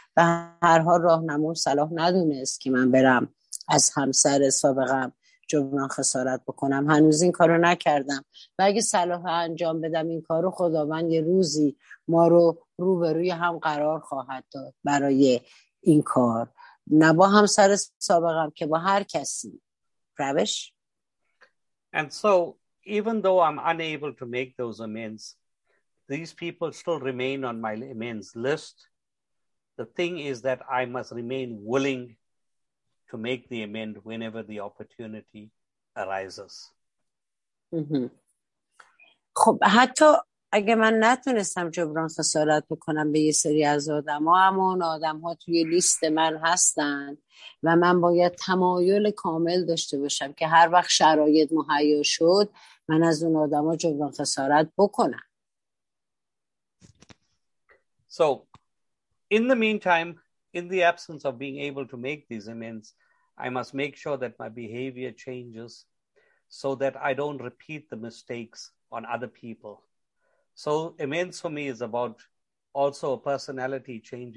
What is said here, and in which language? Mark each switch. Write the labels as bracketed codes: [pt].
[fa] و هرها راهنمون صلاح ندونست که من برم از همسر سابقم جبران خسارت بکنم، هنوز این کارو نکردم و اگه صلاح انجام بدم این کارو، خداوند یه روزی ما رو روبروی هم قرار خواهد داد برای این کار، نه با همسر سابقم که با هر کسی. روش. [en] And so even though I'm unable to make those amends, these people still remain on my amends list. The thing is that I must remain willing to make the amend whenever the opportunity arises. [fa] خب حتی اگه من نتونستم جبران خسارت بکنم به یه سری از آدم ها، اما اون آدم ها توی لیست من هستن و من باید تمایل کامل داشته باشم که هر وقت شرایط مهیا شد من از اون آدم ها جبران خسارت بکنم. [en] So, in the meantime, in the absence of being able to make these amends, I must make sure that my behavior changes so that I don't repeat the mistakes on other people. So, amends for me is about also a personality change.